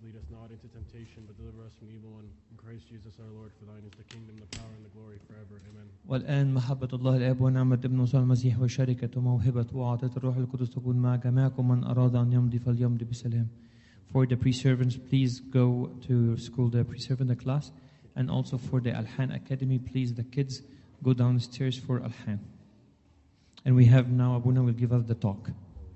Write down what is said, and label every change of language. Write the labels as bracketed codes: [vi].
[en] Lead us not into temptation, but deliver us from evil one. In Christ Jesus our Lord, for thine is the kingdom, the power, and the glory forever. Amen. [ar] والآن محبة الله الآب ونعمة ابن يسوع المسيح وشركة وموهبة وعطاء الروح القدس تكون معكم من أراد أن يمضي فليمضي بسلام. [en] For the pre-servants, please go to school, the pre-servant, the class. And also for the Alhan Academy, please, the kids, go downstairs for Alhan. And we have now, Abuna will give us the talk.